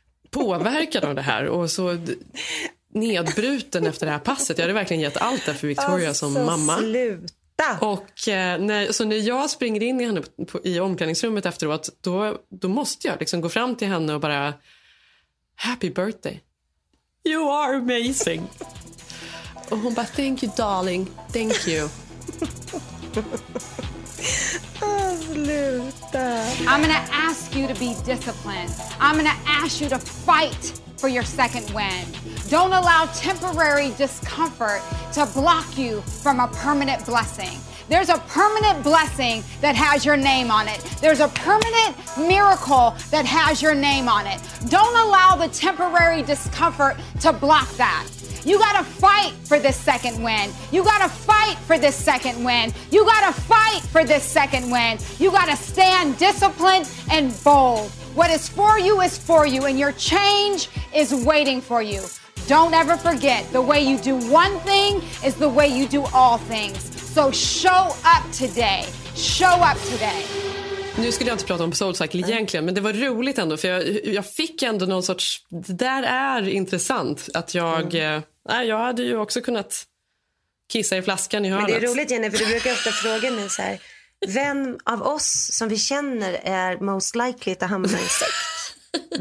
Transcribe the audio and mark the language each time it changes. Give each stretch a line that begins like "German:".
Swedish: påverkad av det här och så nedbruten efter det här passet. Jag hade verkligen gett allt där för Victoria som mamma. Sluta! Och när jag springer in i henne i omklädningsrummet efteråt, då måste jag liksom gå fram till henne och bara
English: happy birthday. You are amazing!
Swedish: Och hon bara
English: thank you darling, thank you.
Swedish: Sluta.
English: I'm gonna ask you to be disciplined. I'm gonna ask you to fight for your second win. Don't allow temporary discomfort to block you from a permanent blessing. There's a permanent blessing that has your name on it. There's a permanent miracle that has your name on it. Don't allow the temporary discomfort to block that. You gotta fight for this second win. You gotta fight for this second win. You gotta fight for this second win. You gotta stand disciplined and bold. What is for you is for you, and your change is waiting for you. Don't ever forget, the way you do one thing is the way you do all things. So show up today. Show up today.
Swedish: Nu skulle jag inte prata om SoulCycle egentligen, men det var roligt ändå, för jag fick ändå någon sorts... Det där är intressant, att jag... jag hade ju också kunnat kissa i flaskan i hörnet. Men det är roligt, Jenny, för du brukar ofta fråga mig så här... Vem av oss som vi känner är
English: most likely
Swedish: att hamna i sekt?